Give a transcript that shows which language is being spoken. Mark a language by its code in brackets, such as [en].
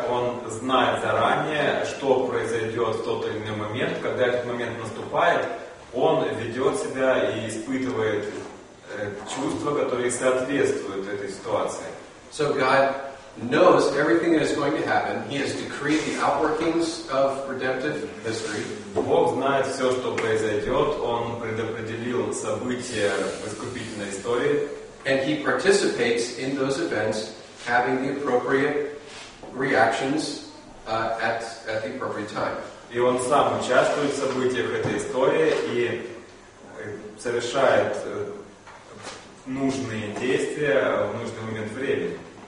[ru] Хотя он знает заранее, что произойдет в тот или иной момент, когда этот момент наступает, он ведет себя и испытывает чувства, которые соответствуют этой ситуации. [en] So God knows everything that is going to happen. He has decreed the outworkings of redemptive history. [ru] Бог знает все, что произойдет. Он предопределил события в искупительной истории. [en] And he participates in those events, having the appropriate reactions at the appropriate time. [ru] И он сам участвует в событиях этой истории и совершает нужные действия в нужный момент времени.